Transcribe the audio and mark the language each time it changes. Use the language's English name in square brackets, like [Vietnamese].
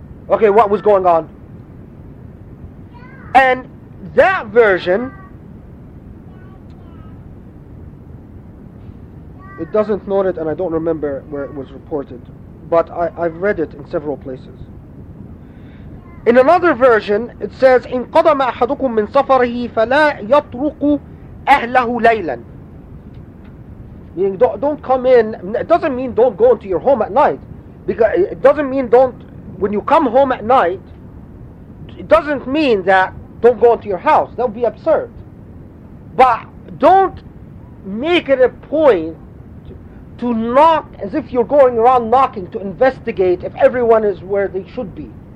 [English] Okay, what was going on? And that version, it doesn't note it, and I don't remember where it was reported, but I've read it in several places. In another version, it says, [Arabic] إن قدم أحدكم من سفره فلا يطرق أهله ليلا. [English] Meaning, don't come in. It doesn't mean don't go into your home at night. Because it doesn't mean don't, when you come home at night, it doesn't mean that don't go into your house. That would be absurd. But don't make it a point to knock as if you're going around knocking to investigate if everyone is where they should be.